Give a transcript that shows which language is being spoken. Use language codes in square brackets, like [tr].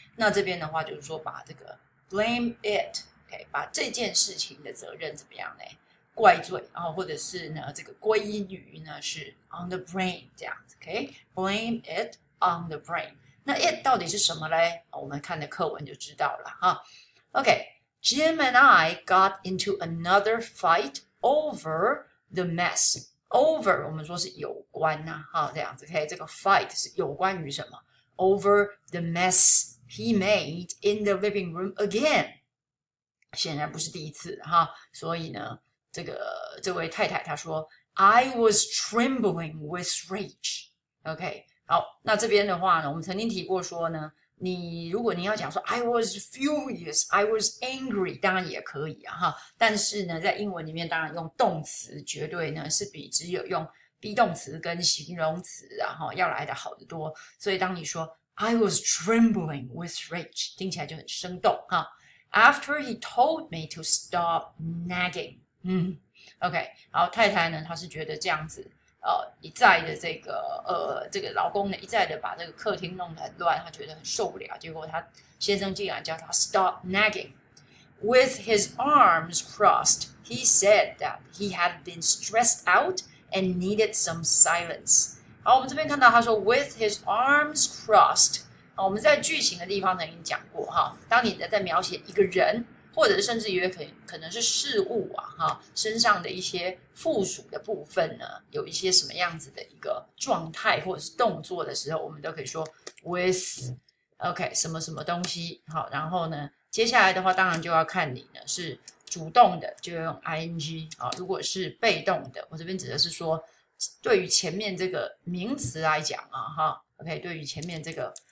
[zh] 那这边的话就是说把这个 [en] blame it， [zh] OK， 把这件事情的责任怎么样呢？怪罪，然后或者是呢这个归因于呢是 [en] on the brain [zh] 这样子， OK， [en] blame it。 On the brain， [zh] 那 it 到底是什么呢？我们看的课文就知道了哈。 [en] OK， Jim and I got into another fight over the mess. [zh] Over 我们说是有关呐、啊，哈，这样子。OK， 这个 fight 是有关于什么 ？ [en] Over the mess he made in the living room again. [zh] 显然不是第一次哈，所以呢，这位太太她说 ， [en] I was trembling with rage. [zh] OK。好，那这边的话呢，我们曾经提过说呢，如果你要讲说 [en] I was furious, I was angry, [zh] 当然也可以啊哈。但是呢，在英文里面，当然用动词绝对呢是比只有用 be 动词跟形容词啊哈要来的好得多。所以当你说 [en] I was trembling with rage, [zh] 听起来就很生动哈。 [en] After he told me to stop nagging, OK, [zh] 好，太太呢，她是觉得这样子。一再的这个老公呢，一再的把这个客厅弄得很乱，他觉得很受不了。结果他先生竟然叫他 [en] stop nagging. With his arms crossed, he said that he had been stressed out and needed some silence. [zh] 好，我们这边看到他说 [en] with his arms crossed. [zh] 好，我们在剧情的地方呢已经讲过哈，当你在描写一个人。或者甚至也可能是事物啊哈，身上的一些附属的部分呢，有一些什么样子的一个状态或者是动作的时候，我们都可以说 with OK 什么什么东西好，然后呢，接下来的话当然就要看你呢是主动的就用 ing 啊，如果是被动的，我这边指的是说对于前面这个名词来讲啊哈 ，OK 对于前面这个。